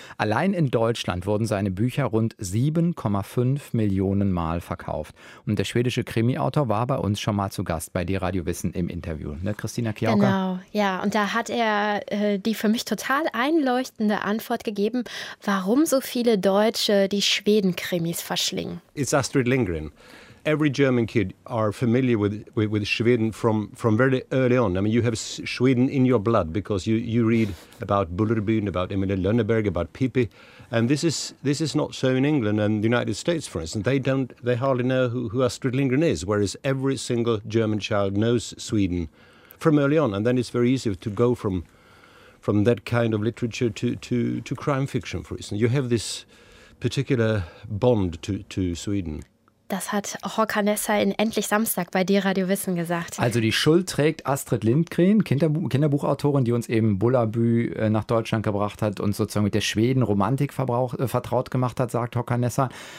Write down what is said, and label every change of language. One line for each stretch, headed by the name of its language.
German: Allein in Deutschland wurden seine Bücher rund 7,5 Millionen Mal verkauft. Und der schwedische Krimi-Autor war bei uns schon mal zu Gast bei Die Radio Wissen im Interview. Ne, Christina Kiauka? Genau, ja. Und da hat er die für mich total einleuchtende Antwort gegeben, warum so viele Deutsche die Schweden-Krimis verschlingen.
English: It's Astrid Lindgren. Every German kid are familiar with Sweden from very early on. I mean, you have Sweden in your blood because you read about Bullerbyn, about Emilia Lönneberg, about Pippi. And this is not so in England and the United States, for instance. They hardly know who Astrid Lindgren is, whereas every single German child knows Sweden from early on. And then it's very easy to go from that kind of literature to crime fiction, for instance. You have this particular bond to Sweden.
German: Das hat Håkan Nesser in Endlich Samstag bei dir Radio Wissen gesagt. Also die Schuld trägt Astrid Lindgren, Kinderbuchautorin, die uns eben Bullerbü nach Deutschland gebracht hat und sozusagen mit der Schweden-Romantik vertraut gemacht hat, sagt Håkan Nesser.